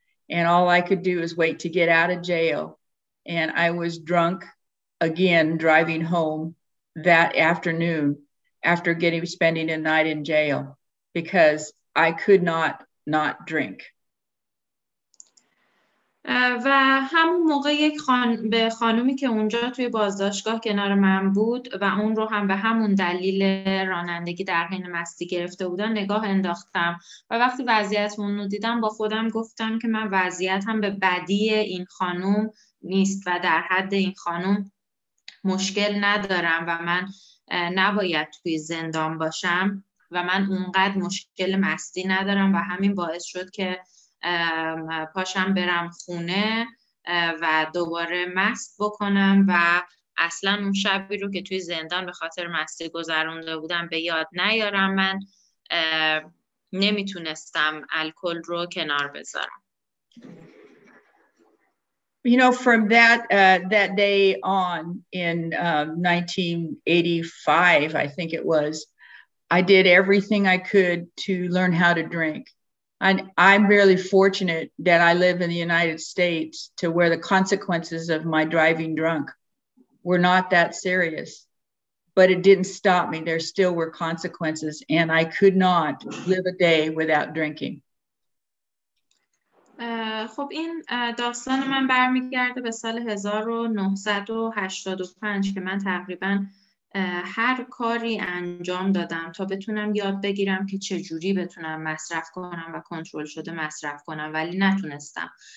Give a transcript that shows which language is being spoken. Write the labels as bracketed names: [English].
[English] And all I could do is wait to get out of jail. And I was drunk again driving home that afternoon after spending a night in jail because I could not not drink. [Persian] و همون موقع به خانومی که اونجا توی بازداشتگاه کنار من بود و اون رو هم به همون دلیل رانندگی در حین مستی گرفته بودن نگاه انداختم و وقتی وضعیت اون رو دیدم با خودم گفتم که من وضعیتم به بدی این خانوم نیست و در حد این خانوم مشکل ندارم و من نباید توی زندان باشم و من اونقدر مشکل مستی ندارم و همین باعث شد که پاشم برم خونه و دوباره مست بکنم و اصلا اون شبی رو که توی زندان به خاطر مستی گذرونده بودم به یاد نیارم. من نمیتونستم الکل رو کنار بذارم. [English] You know, from that day on in 1985, I think it was, I did everything I could to learn how to drink. And I'm really fortunate that I live in the United States to where the consequences of my driving drunk were not that serious. But it didn't stop me. There still were consequences, and I could not live a day without drinking. [Persian] خب این داستان من برمیگرده به سال 1985 که من تقریبا هر کاری انجام دادم تا بتونم یاد بگیرم که چه جوری بتونم مصرف کنم و کنترل شده مصرف کنم ولی نتونستم.